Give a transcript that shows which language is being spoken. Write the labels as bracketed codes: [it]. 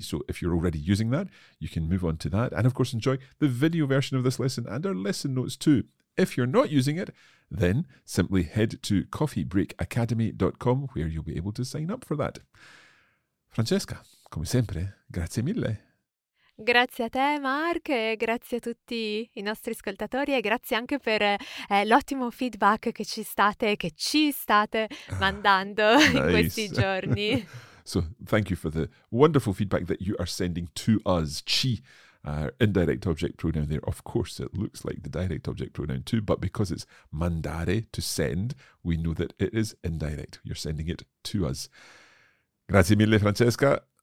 [en] So if you're already using that, you can move on to that. And of course, enjoy the video version of this lesson and our lesson notes too. If you're not using it, then simply head to coffeebreakacademy.com where you'll be able to sign up for that. Francesca, [it] come sempre, grazie mille. Grazie a te, Mark, e grazie a tutti i nostri ascoltatori e grazie anche per l'ottimo feedback che ci state e che ci state mandando in questi giorni. [en] So, thank you for the wonderful feedback that you are sending to us. Ci, our indirect object pronoun there. Of course, it looks like the direct object pronoun too, but because it's mandare, to send, we know that it is indirect. You're sending it to us. [it] Grazie mille, [en] Francesca.